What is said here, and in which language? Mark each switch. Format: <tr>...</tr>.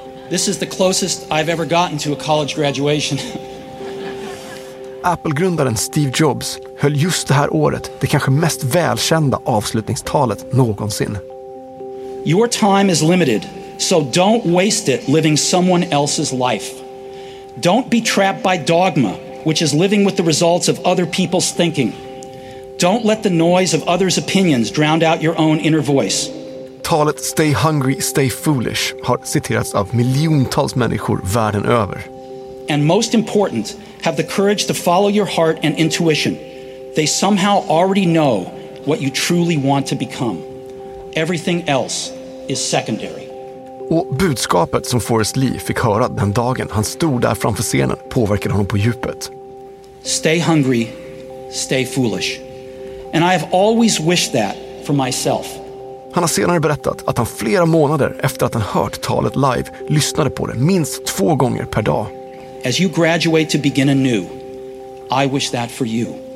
<en>This is the closest I've ever gotten to a college graduation.</en> <sv>Apple-grundaren Steve Jobs höll just det här året det kanske mest välkända avslutningstalet någonsin.</sv> <en>Your time is limited, so don't waste it living someone else's life. Don't be trapped by dogma, which is living with the results of other people's thinking. Don't let the noise of others' opinions drown out your own inner voice.</en> <sv>Talet Stay Hungry, Stay Foolish har citerats av miljontals människor världen över.</sv> <en>And most important, have the courage to follow your heart and intuition. They somehow already know what you truly want to become. Everything else is secondary.</en> <sv>Och budskapet som Forrest Lee fick höra den dagen han stod där framför scenen påverkade honom på djupet.</sv> <en>Stay hungry, stay foolish. And I have always wished that for myself.</en> <sv>Han har senare berättat att han flera månader efter att han hört talet live lyssnade på det minst 2 gånger per dag.</sv> <en>As you graduate to begin anew, I wish that for you.</en>